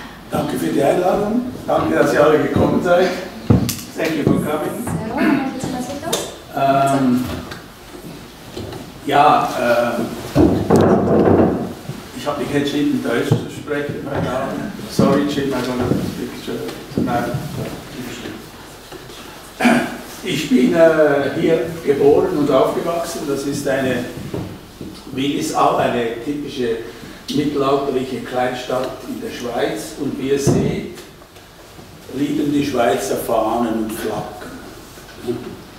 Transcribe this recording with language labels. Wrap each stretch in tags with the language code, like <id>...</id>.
<de>Danke für die Einladung. Danke, dass ihr alle gekommen seid.</de> <en>Thank you for coming.</en> <de>Servus, Herr Präsident. Ja, ich habe mich entschieden, Deutsch zu sprechen.</de> <en>Sorry, Jim, I don't have to speak German.</en> <de>Ich bin hier geboren und aufgewachsen. Das ist eine, wie ist auch eine typische mittelalterliche Kleinstadt in der Schweiz. Und wie ihr seht, liegen die Schweizer Fahnen und Flaggen.</de>